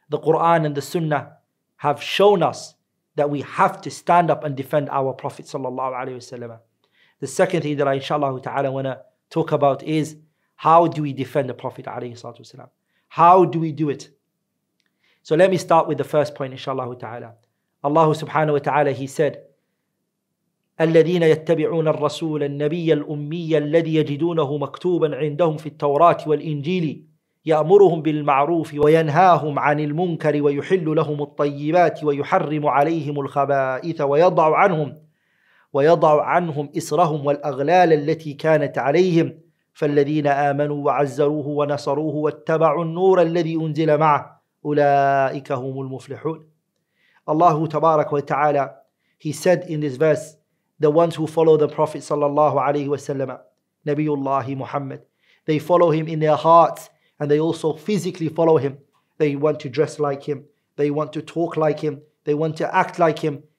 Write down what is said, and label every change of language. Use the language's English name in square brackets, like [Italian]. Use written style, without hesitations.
[English] The Quran and the Sunnah have shown us that we have to stand up and defend our Prophet sallallahu alaihi wasallam. The second thing that I inshallah ta'ala want to talk about is, how do we defend the Prophet alayhi salatu wasalam? How do we do it? So let me start with the first point inshallah ta'ala. [Arabic] Allah subhanahu wa ta'ala, he said, الذين يتبعون الرسول النبي الأمي الذي يجدونه مكتوبا عندهم في التوراة والإنجيل يأمرهم بالمعروف وينهاهم عن المنكر ويحل لهم الطيبات ويحرم عليهم الخبائث ويضع عنهم إصرهم والأغلال التي كانت عليهم فالذين آمنوا وعزروه ونصروه واتبعوا النور الذي أنزل معه أولئك هم المفلحون. الله تبارك وتعالى, [English] he said in this verse, the ones who follow the Prophet sallallahu alaihi wasallam, Nabiullah Muhammad, they follow him in their hearts and they also physically follow him. They want to dress like him. They want to talk like him. They want to act like him.